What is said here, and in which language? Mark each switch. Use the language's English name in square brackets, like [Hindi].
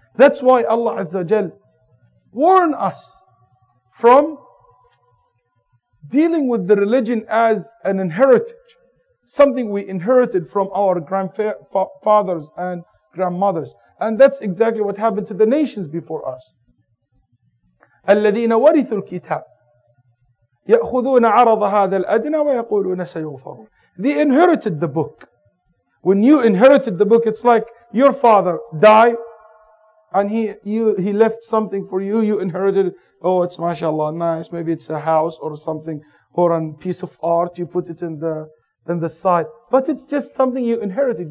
[English] That's why Allah Azza wa Jal warned us from dealing with the religion as an inheritance, something we inherited from our grandfathers and grandmothers. And that's exactly what happened to the nations before us. [Arabic] الَّذِينَ وَرِثُوا الْكِتَابِ يَأْخُذُونَ عَرَضَ هَذَا الْأَدْنَى وَيَقُولُونَ سَيُغْفَرُونَ [English] They inherited the book. When you inherited the book, it's like your father died and he left something for you. You inherited, oh, it's mashallah, nice. Maybe it's a house or something or a piece of art. You put it in the side. But it's just something you inherited.